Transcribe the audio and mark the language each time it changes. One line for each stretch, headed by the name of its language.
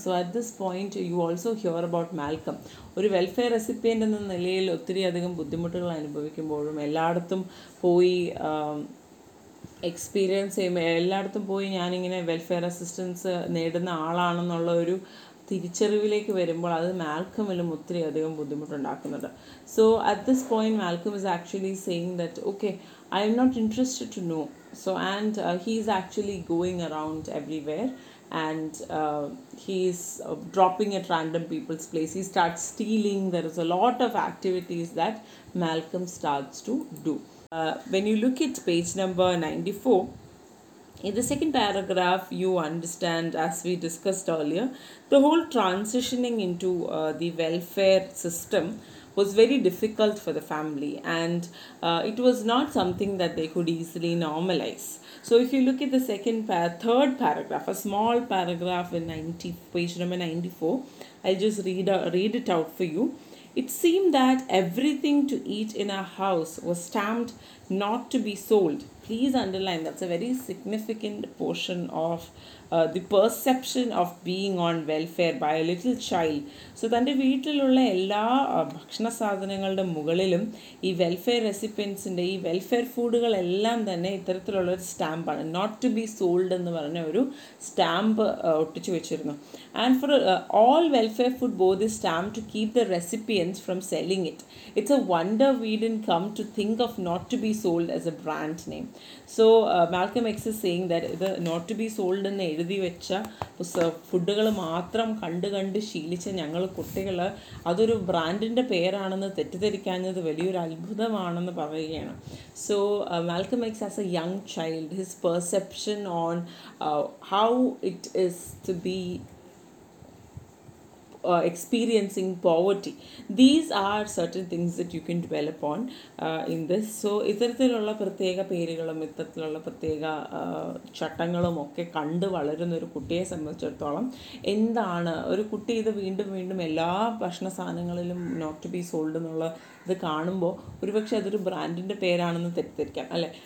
English: So at this point you also hear about Malcolm.
Malayalam: ഒരു welfare recipient എന്ന നിലയിൽ ഒത്തിരിയധികം ബുദ്ധിമുട്ടുകൾ അനുഭവിക്കുമ്പോഴും എല്ലായിടത്തും പോയി എക്സ്പീരിയൻസ് ചെയ്യുമ്പോൾ എല്ലായിടത്തും പോയി ഞാനിങ്ങനെ വെൽഫെയർ അസിസ്റ്റൻസ് നേടുന്ന ആളാണെന്നുള്ള ഒരു തിരിച്ചറിവിലേക്ക് വരുമ്പോൾ അത് മാൽക്കമിലും ഒത്തിരിയധികം ബുദ്ധിമുട്ടുണ്ടാക്കുന്നുണ്ട്.
English: So at this point Malcolm is actually saying that okay I am not interested to know. So, and he is actually going around everywhere and he is dropping at random people's place. He starts stealing. There is a lot of activities that Malcolm starts to do. When you look at page number 94, in the second paragraph, you understand, as we discussed earlier, the whole transitioning into the welfare system was very difficult for the family, and it was not something that they could easily normalize. So if you look at the third paragraph, a small paragraph in page number 94, I'll just read it out for you. It seemed that everything to eat in our house was stamped not to be sold. Please underline, that's a very significant portion of the perception of being on welfare by a little child.
Malayalam: So തൻ്റെ വീട്ടിലുള്ള എല്ലാ ഭക്ഷണ സാധനങ്ങളുടെ മുകളിലും ഈ welfare റെസിപ്പിയൻസിൻ്റെ ഈ welfare ഫുഡുകളെല്ലാം തന്നെ ഇത്തരത്തിലുള്ള ഒരു സ്റ്റാമ്പാണ്,
English: not to be sold
Malayalam: എന്ന് പറഞ്ഞ ഒരു സ്റ്റാമ്പ് ഒട്ടിച്ചു വെച്ചിരുന്നു.
English: And for all welfare food bought is stamp to keep the recipients from selling it. It's a wonder we didn't come to think of not to be sold as a brand name. So Malcolm X is saying that
Malayalam: ഇത്
English: not to be sold
Malayalam: എന്ന് എഴുതി വെച്ച ഫുഡുകൾ മാത്രം കണ്ട് ശീലിച്ച ഞങ്ങൾ കുട്ടികൾ അതൊരു ബ്രാൻഡിൻ്റെ പേരാണെന്ന് തെറ്റിദ്ധരിക്കാഞ്ഞത് വലിയൊരു അത്ഭുതമാണെന്ന് പറയുകയാണ്.
English: So Malcolm X as a young child his perception on how it is to be experiencing poverty. These are certain things that you can dwell upon in this.
Malayalam: So ഇത്തരത്തിലുള്ള പ്രത്യേക പേരുകളും ഇത്തരത്തിലുള്ള പ്രത്യേക ചട്ടങ്ങളും ഒക്കെ കണ്ട് വളരുന്ന ഒരു കുട്ടിയെ സംബന്ധിച്ചിടത്തോളം എന്താണ് ഒരു കുട്ടി ഇത് വീണ്ടും വീണ്ടും എല്ലാ ഭക്ഷണ സാധനങ്ങളിലും
English: not to be sold
Malayalam: എന്നുള്ള ഇത് കാണുമ്പോൾ ഒരുപക്ഷെ അതൊരു ബ്രാൻഡിൻ്റെ പേരാണെന്ന് തെറ്റിദ്ധരിക്കാം അല്ലേ.